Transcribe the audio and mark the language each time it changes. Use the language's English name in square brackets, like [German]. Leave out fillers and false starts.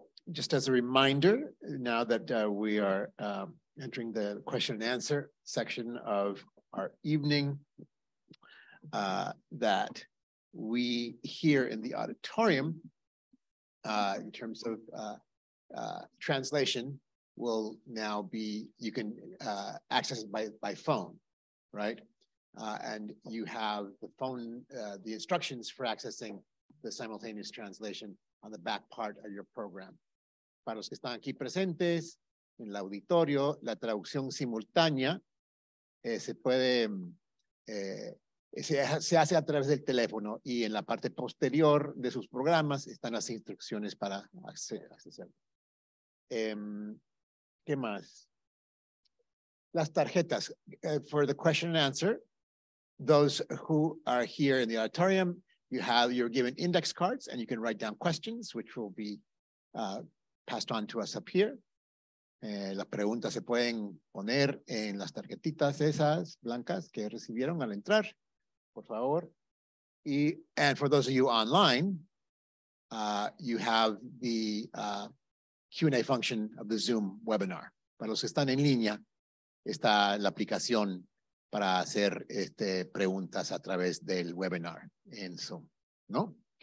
[English] Just as a reminder, now that we are entering the question and answer section of our evening, that we here in the auditorium, in terms of translation, will now be, you can access it by phone, right? And you have the phone, the instructions for accessing the simultaneous translation on the back part of your program. [Spanish] Para los que están aquí presentes en el auditorio, la traducción simultánea se hace a través del teléfono, y en la parte posterior de sus programas están las instrucciones para acceder. ¿Qué más? las tarjetas. [English] For the question and answer, those who are here in the auditorium, you have, you're given index cards and you can write down questions, which will be passed on to us up here. [Spanish] Las preguntas se pueden poner en las tarjetitas esas blancas que recibieron al entrar, por favor. Y, and for those of you online, you have the Q&A function of the Zoom webinar. Para los que están en línea, está la aplicación para hacer este, preguntas a través del webinar en Zoom, ¿no?